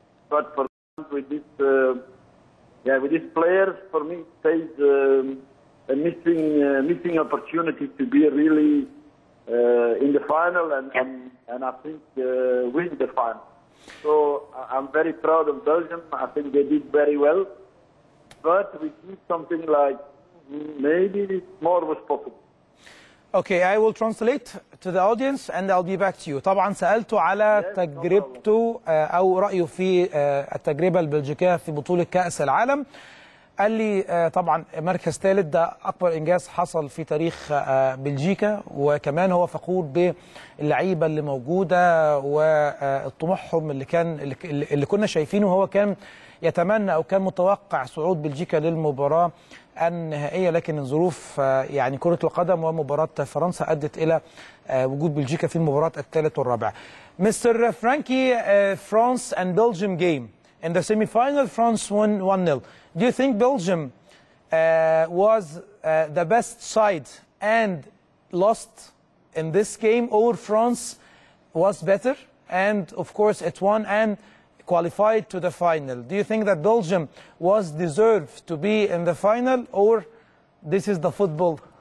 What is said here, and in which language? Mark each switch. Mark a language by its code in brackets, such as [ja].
[en] But for with this. Yeah, with these players, for me, face a missing opportunity to be really in the final and I think win the final. So I'm very proud of Belgium. I think they did very well. But we need something like maybe more was possible. Okay, I will translate to the audience and I'll be back to you. [ar] طبعا سألته على تجربته أو رأيه في التجربة البلجيكية في بطولة كأس العالم. قال لي طبعا مركز ثالث ده أكبر إنجاز حصل في تاريخ بلجيكا، وكمان هو فخور باللعيبة اللي موجودة وطموحهم اللي كنا شايفينه. هو كان يتمنى أو كان متوقع صعود بلجيكا للمباراة النهائية، لكن الظروف يعني كرة القدم ومباراة فرنسا أدت إلى وجود بلجيكا في المباراة الثالث والرابع. [en] Mister Frankie, France and Belgium game in the semi-final, France won 1-0. Do you think Belgium was the best side and lost in this game, or France was better and of course it won and qualified to the final? Do you think that Belgium was deserved to be in the final, or this is the football?